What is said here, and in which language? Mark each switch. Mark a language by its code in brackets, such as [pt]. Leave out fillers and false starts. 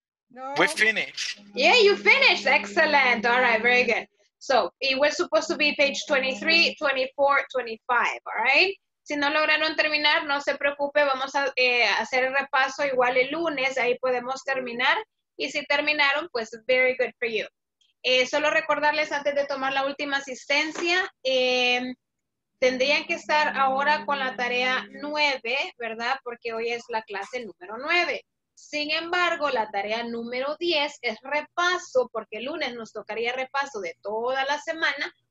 [en] No. We finished. Yeah, you finished. Excellent. All right, very good. So, it was supposed to be page 23, 24, 25, all right? [es] Si no lograron terminar, no se preocupe, vamos a hacer el repaso igual el lunes, ahí podemos terminar. Y si terminaron, pues, [en] very good for you. [es] Solo recordarles antes de tomar la última asistencia, tendrían que estar ahora con la tarea 9, ¿verdad? Porque hoy es la clase número 9. Sin embargo, la tarea número 10 es repaso, porque el lunes nos tocaría repaso de toda la semana.